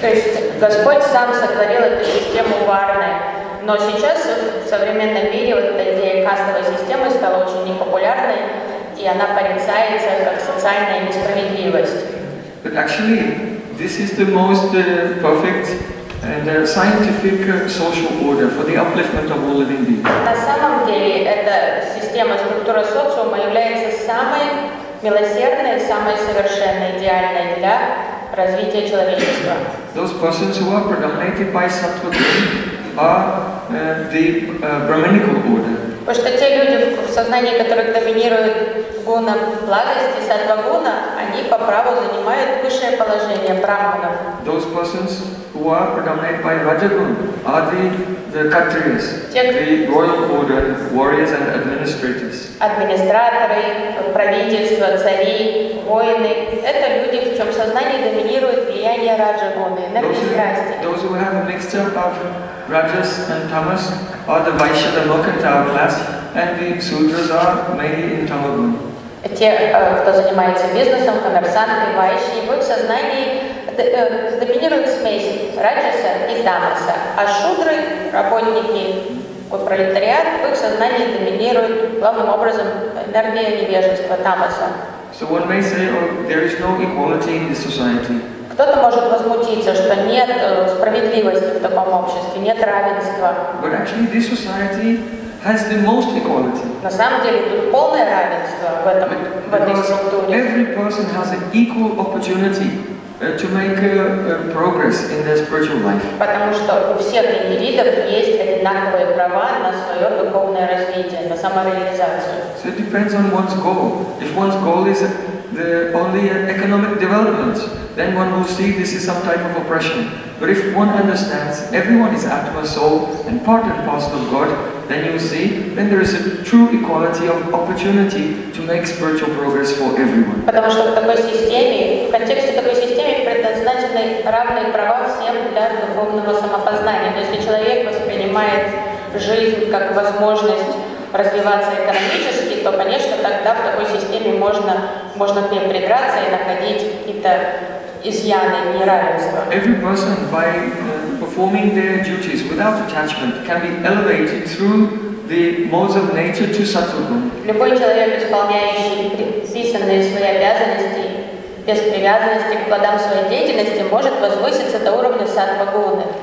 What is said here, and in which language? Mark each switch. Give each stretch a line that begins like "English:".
Russian: То есть Господь сам сотворил эту систему варны. Но сейчас, в современном мире, вот эта идея кастовой системы стала очень непопулярной, и она порицается как социальная несправедливость.
English: But actually, this is the most perfect and scientific social order for the upliftment of all living beings.
Russian: На самом деле, эта система, структура социума является самой милосердной, самой совершенной, идеальной для развития человечества.
English: Those persons who are predominated by sattva are the brahminical order.
Russian: Потому что те люди в сознании, которые доминируют гуна благости, сатва гуна, они по праву занимают высшее положение брахманов.
English: Those persons who are predominated by rajaguna are the kshatriyas, the royal order, warriors and administrators.
Russian: Администраторы, правительство, цари, воины – это люди, в чем сознание доминирует влияние раджагуны, энергии страсти.
English: Those who have a mixture of Rajas and Tamas are the Vaishnava Lokottara class, and the Sudras are mainly in Tamagun.
Russian: Те, кто занимается бизнесом, коммерсанты, вайши, в их сознании доминирует смесь Раджаса и Тамаса, а Шудры, работники, пролетариат, в их сознании доминирует главным образом энергия невежества Тамаса.
English: So one may say, there is no equality in this society.
Russian: Кто-то может возмутиться, что нет справедливости в таком обществе, нет равенства.
English: But actually, this society has the most equality.
Russian: На самом деле, тут полное равенство в этом, в этой структуре.
English: Every person has an equal opportunity to make progress in their spiritual life.
Russian: Потому что у всех индивидов есть одинаковые права на свое духовное развитие, на самореализацию.
English: So it depends on one's goal. If one's goal is the only economic development, then one will see this is some type of oppression. But if one understands everyone is Atma, soul, and part and parcel of God, then you see, then there is a true equality of opportunity to make spiritual progress for everyone.
Russian: Потому что в такой системе, в контексте такой системы предназначены равные права всем для духовного самопознания. То есть человек воспринимает жизнь как возможность развиваться экономически, то, конечно, тогда в такой системе можно к ней придраться и находить какие-то изъяны, неравенства.
English: Every person by performing their duties without attachment can be elevated through the modes of nature to sattva-guna.
Russian: Любой человек, исполняющий предписанные свои обязанности без привязанности к плодам своей деятельности, может возвыситься до уровня сатва-гуны.